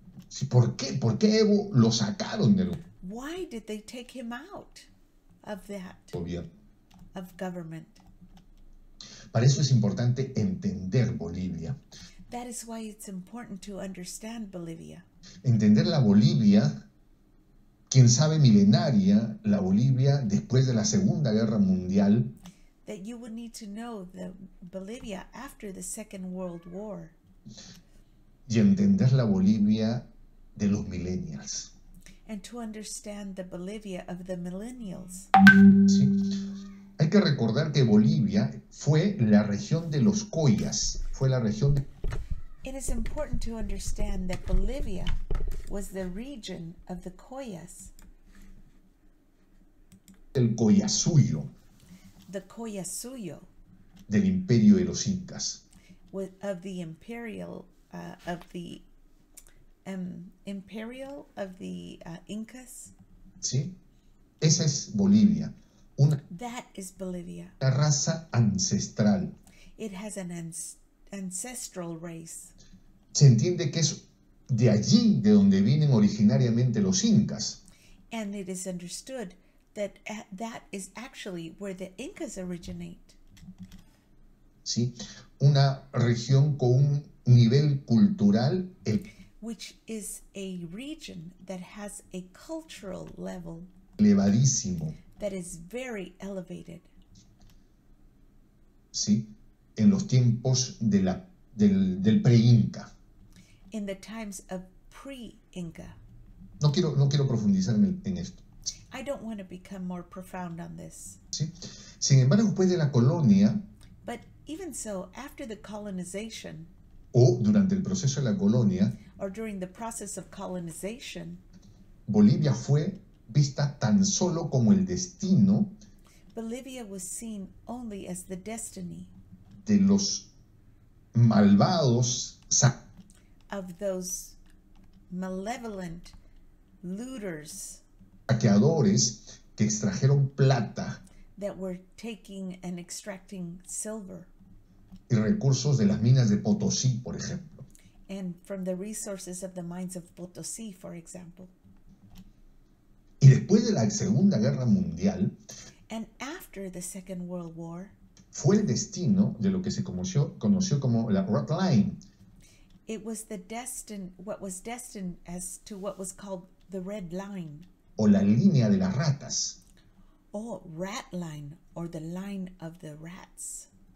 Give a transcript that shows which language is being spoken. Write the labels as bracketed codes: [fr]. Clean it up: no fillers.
[es] Sí, ¿por qué? ¿Por qué Evo lo sacaron del [en] why did they take him out of that? [es] Gobierno. [en] Of government. [es] Para eso es importante entender Bolivia. [en] That is why it's important to understand Bolivia. [es] Entender la Bolivia, quién sabe milenaria, la Bolivia después de la Segunda Guerra Mundial. [en] That you would need to know the Bolivia after the Second World War. [es] Y entender la Bolivia de los millennials. [en] And to understand the Bolivia of the millennials. [es] Sí. Hay que recordar que Bolivia fue la región de los Collas, fue la región de [en] it is important to understand that Bolivia was the region of the Collas. [es] El Collasuyo. [en] The Collasuyo. [es] Del Imperio de los Incas. [en] Of the imperial of the imperial of the Incas. [es] Sí. Esa es Bolivia. [en] That is Bolivia. [es] La raza ancestral. [en] It has an ancestral race. [es] Se entiende que es de allí de donde vienen originariamente los incas. [en] And it is understood that that is actually where the Incas originate. [es] Sí, una región con un nivel cultural. [en] Which is a region that has a cultural level [es] Elevadísimo. [en] that is very elevated. [es] Sí, en los tiempos de la, del pre-Inca. [en] In the times of pre-Inca. [es] No quiero profundizar en esto. [en] I don't want to become more profound on this. [es] ¿Sí? Sin embargo, después de la colonia, [en] But even so, after the colonization, [es] o durante el proceso de la colonia, [en] or during the process of colonization, [es] Bolivia fue vista tan solo como el destino [en] Bolivia was seen only as the destiny [es] de los malvados [en] of those malevolent looters [es] saqueadores que extrajeron plata [en] that were taking and extracting silver. [es] y recursos de las minas de Potosí, por ejemplo. [en] And from the resources of the mines of Potosí, for example. [es] Y después de la Segunda Guerra Mundial, [en] And after the Second World War, [es] fue el destino de lo que se conoció como la Red Line. [en] it was the destined, what was destined as to what was called the Red Line, [es] O la línea de las ratas. [en] or Rat Line, or the line of the rats.